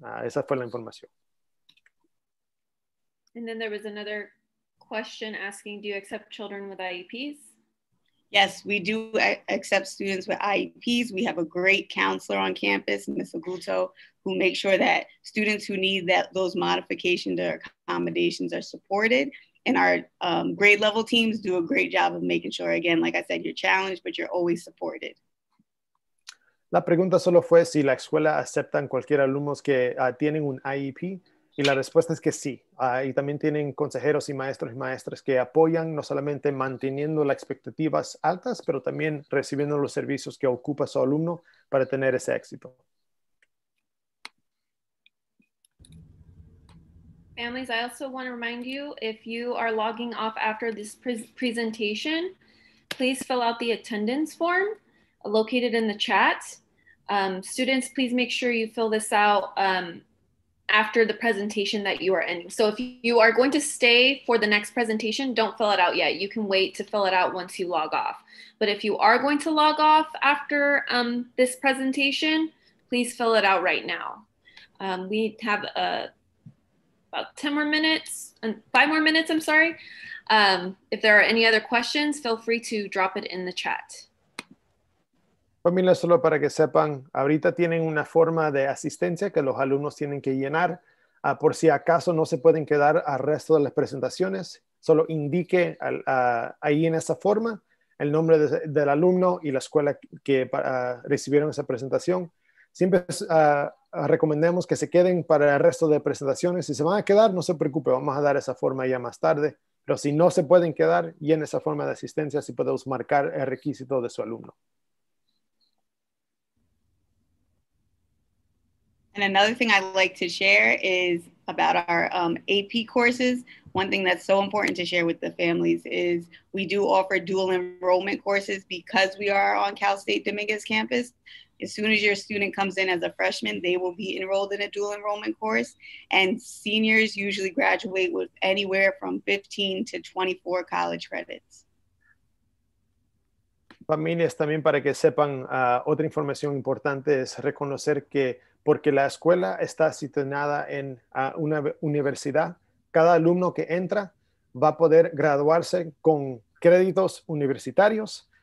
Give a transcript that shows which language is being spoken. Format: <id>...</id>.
<es>Esa fue la información.</es> <en>And then there was another question asking, do you accept children with IEPs? Yes, we do accept students with IEPs. We have a great counselor on campus, Ms. Aguto, who makes sure that students who need that those modifications or accommodations are supported. And our grade level teams do a great job of making sure, again, like I said, you're challenged, but you're always supported.</en> <es>La pregunta solo fue si la escuela aceptan cualquier alumnos que tienen un IEP. Y la respuesta es que sí. Y también tienen consejeros y maestros y maestras que apoyan no solamente manteniendo las expectativas altas, pero también recibiendo los servicios que ocupa su alumno para tener ese éxito.</es> <en>Families, I also want to remind you, if you are logging off after this presentation, please fill out the attendance form located in the chat. Students, please make sure you fill this out after the presentation that you are ending. So if you are going to stay for the next presentation, don't fill it out yet. You can wait to fill it out once you log off. But if you are going to log off after this presentation, please fill it out right now. We have about 10 more minutes, and 5 more minutes, I'm sorry. If there are any other questions, feel free to drop it in the chat.</en> <es>Familia, solo para que sepan, ahorita tienen una forma de asistencia que los alumnos tienen que llenar. Por si acaso no se pueden quedar al resto de las presentaciones, solo indique ahí en esa forma el nombre del alumno y la escuela que recibieron esa presentación. Siempre recomendamos que se queden para el resto de presentaciones. Si se van a quedar, no se preocupe, vamos a dar esa forma ya más tarde. Pero si no se pueden quedar, llene esa forma de asistencia si podemos marcar el requisito de su alumno.</es> <en>And another thing I'd like to share is about our AP courses. One thing that's so important to share with the families is we do offer dual enrollment courses because we are on Cal State Dominguez campus. As soon as your student comes in as a freshman, they will be enrolled in a dual enrollment course. And seniors usually graduate with anywhere from 15 to 24 college credits.</en> <es>Familias, también para que sepan, otra información importante es reconocer que porque la escuela está situada en una universidad, cada alumno que entra va a poder graduarse con créditos universitarios.</es>